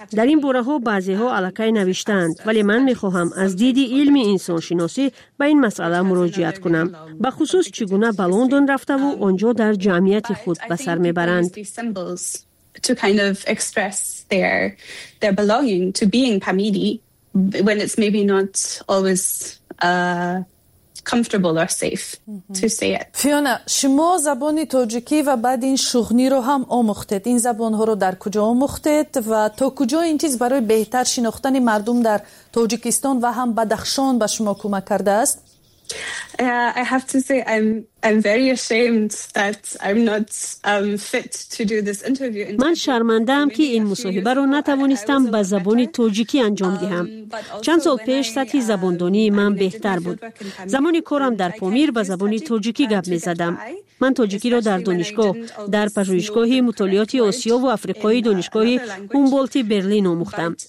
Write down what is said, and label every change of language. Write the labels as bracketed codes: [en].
[fa] در این باره ها بعضی ها علکی نوشتند، ولی من می خواهم از دید علم انسان شناسی به این مسئله مراجعت کنم، به خصوص چگونه به لندن رفته و آنجا در جمعیت خود به سر می برند. [en] comfortable or safe to say it. [fa] Fiona, شما زبان تاجیکی و بعد این شغنی رو هم آموختید. این زبان ها رو در کجا آموختید و تا کجا این چیز برای بهتر شناختن مردم در تاجیکستان و هم بدخشان به شما کمک کرده است؟ [en] I have to say I'm very ashamed that I'm not fit to do this interview. [fa] من شرمنده ام که این مصاحبه رو نتوانستم به زبان تاجیکی انجام دهم. چند سال پیش سطح زبان‌دانی من بهتر بود. زمانی کارم در پامیر به زبان تاجیکی گپ می‌زدم. من تاجیکی را در دانشگاه، در پژوهشگاه مطالعات آسیا و آفریقای دانشگاه هومبولت برلین آموختم.